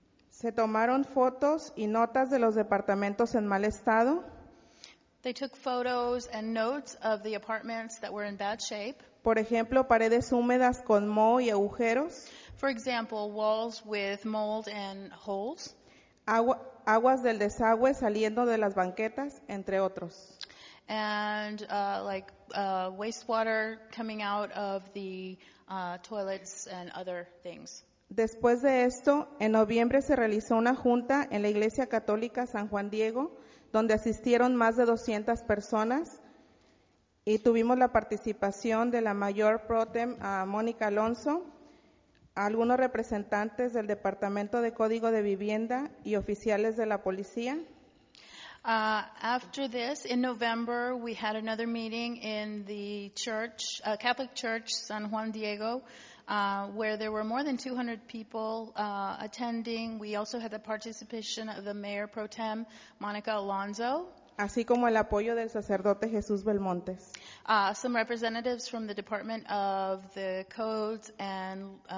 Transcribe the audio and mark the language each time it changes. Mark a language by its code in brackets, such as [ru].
[es] Se tomaron fotos y notas de los departamentos en mal estado. [en] They took photos and notes of the apartments that were in bad shape. [es] Por ejemplo, paredes húmedas con moho y agujeros. [en] For example, walls with mold and holes. [es] Aguas del desagüe saliendo de las banquetas, entre otros. [en] And wastewater coming out of the toilets and other things. [es] Después de esto, en noviembre se realizó una junta en la Iglesia Católica San Juan Diego, donde asistieron más de 200 personas y tuvimos la participación de la mayor pro tem, Mónica Alonso, algunos representantes del Departamento de Código de Vivienda y oficiales de la policía. [en] After this, in November, we had another meeting in the church, Catholic Church San Juan Diego, where there were more than 200 people attending. We also had the participation of the Mayor Pro Tem, Monica Alonso. [es] Así como el apoyo del sacerdote Jesús Belmontes. [en] Some representatives from the Department of the Codes and...